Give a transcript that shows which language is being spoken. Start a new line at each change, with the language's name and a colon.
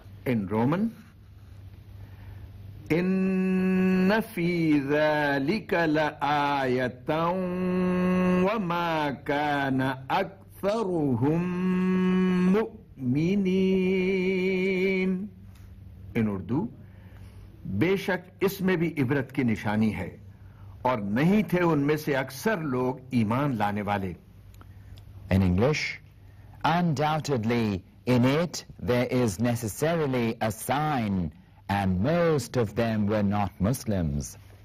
English: In Roman,
Arabic: إن في ذلك لآية وما كان أكثرهم مؤمنين.
English: In Urdu,
Hindi: बेशक इसमें भी इबरत की निशानी है और नहीं थे उनमें से अक्सर लोग ईमान लाने वाले.
English: In English, undoubtedly, in it, there is necessarily a sign, and most of them were not Muslims.